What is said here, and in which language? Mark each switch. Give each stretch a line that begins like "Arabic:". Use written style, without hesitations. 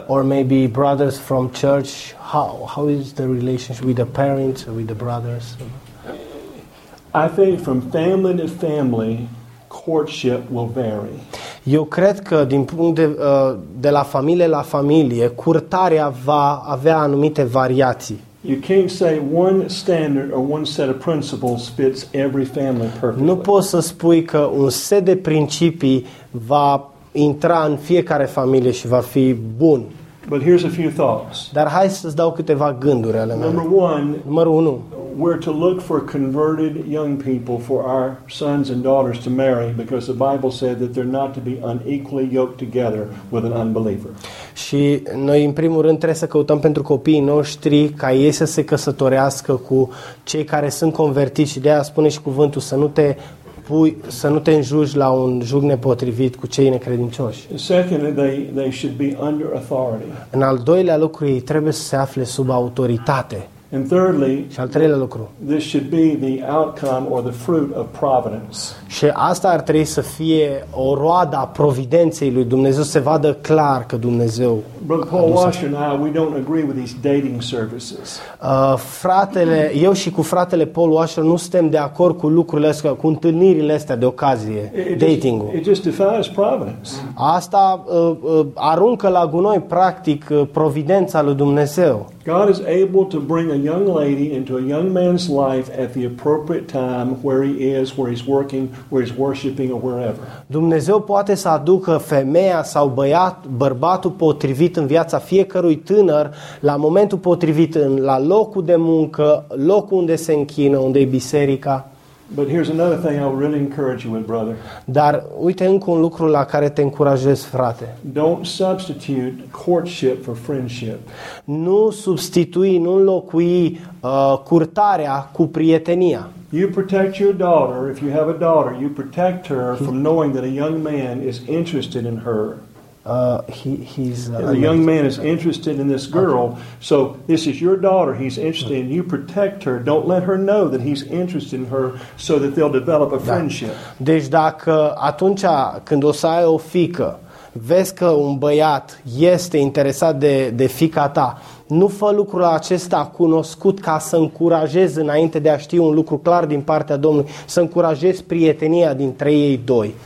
English: Or maybe brothers from church, how is the relationship with the parents or with the brothers? I think from family to family courtship will vary.
Romanian: Eu cred că din punct de la familie la familie curtarea va avea anumite variații.
English: You can't say one standard or one set of principles fits every family perfectly.
Romanian: Nu poți să spui că un set de principii va intra în fiecare familie și va fi bun.
English: But here's a few thoughts.
Romanian: Dar hai să dau câteva gânduri ale mele. Numărul 1.
English: We're to look for converted young people for our sons and daughters to marry because the Bible said that they're not to be unequally yoked together with an unbeliever.
Romanian: Și noi în primul rând trebuie să căutăm pentru copiii noștri ca ei să se căsătorească cu cei care sunt convertiți și de aia spune și cuvântul să nu te pui, să nu te înjugi la un jug nepotrivit cu cei necredincioși.
English: Secondly, they should be under authority.
Romanian: În al doilea lucru, ei trebuie să se afle sub autoritate.
English: And thirdly,
Romanian: și al treilea lucru,
English: this should be the outcome or the fruit of providence.
Romanian: Și asta ar trebui să fie o roadă a providenței lui Dumnezeu, se vadă clar că Dumnezeu.
English: But Paul Washer and I, we don't agree with these dating services.
Romanian: Fratele, eu și cu fratele Paul Washer nu suntem de acord cu lucrurile astea, cu întâlnirile astea de ocazie, datingul.
English: It just defies providence.
Romanian: Asta aruncă la gunoi practic providența lui Dumnezeu.
English: God is able to bring a young lady into a young man's life at the appropriate time, where he is, where he's working, where he's worshiping, or wherever.
Romanian: Dumnezeu poate să aducă femeia sau bărbatul potrivit în viața fiecărui tânăr, la momentul potrivit, la locul de muncă, locul unde se închină, unde e biserica.
English: But here's another thing I would really encourage you with, brother.
Romanian: Dar uite încă un lucru la care te încurajez, frate.
English: Don't substitute courtship for friendship.
Romanian: Nu substitui, nu înlocui curtarea cu prietenia.
English: You protect your daughter, if you have a daughter, you protect her from knowing that a young man is interested in her. He's a young man is interested in this girl. Okay. So this is your daughter. He's interested in you. Protect her. Don't let her know that he's interested in her, so that they'll develop a friendship.
Romanian: Da. Deci dacă atunci când o să ai o fiică, vezi că un băiat este interesat de fiica ta, nu fă lucrul acesta cunoscut ca să încurajezi, înainte de a ști un lucru clar din partea Domnului, să încurajezi prietenia dintre ei doi.